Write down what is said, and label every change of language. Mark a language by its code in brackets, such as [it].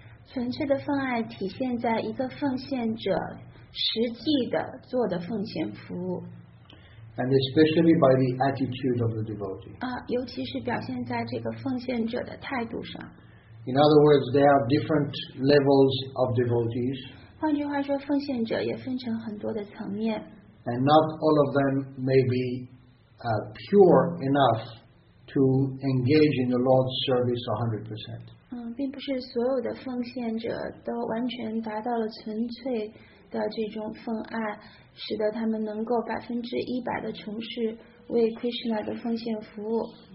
[zh] 纯粹的奉爱体现在一个奉献者实际的做的奉献服务。 [en] And especially by the attitude of the devotee. [zh] 啊，尤其是表现在这个奉献者的态度上。 [en] In other words, there are different levels of devotees. [zh] 换句话说，奉献者也分成很多的层面。 [en] And not all of them may be pure enough to engage in the Lord's service 100%. [zh] 并不是所有的奉献者都完全达到了纯粹的这种奉爱，使得他们能够100%的从事为 Krishna 的奉献服务。